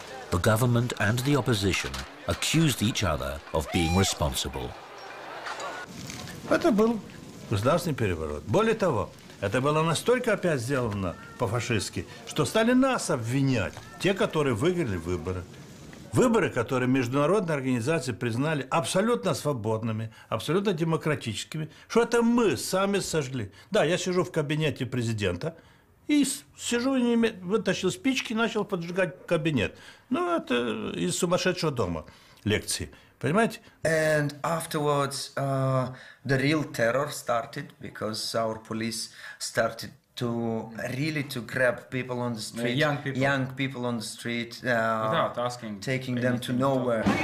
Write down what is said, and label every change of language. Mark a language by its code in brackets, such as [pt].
[en] The government and the opposition accused each other of being responsible. [ru] Это был государственный переворот. Более того, это было настолько опять сделано по-фашистски, что стали нас обвинять, те, которые выиграли выборы. Выборы, которые международные организации признали абсолютно свободными, абсолютно демократическими, что это мы сами сожгли. Да, я сижу в кабинете президента, и сижу, вытащил спички, начал поджигать кабинет. Ну, это из сумасшедшего дома лекции. Понимаете? [en] And afterwards, the real terror started because our police started to really to grab people on the street, young people on the street, without asking, taking them to nowhere.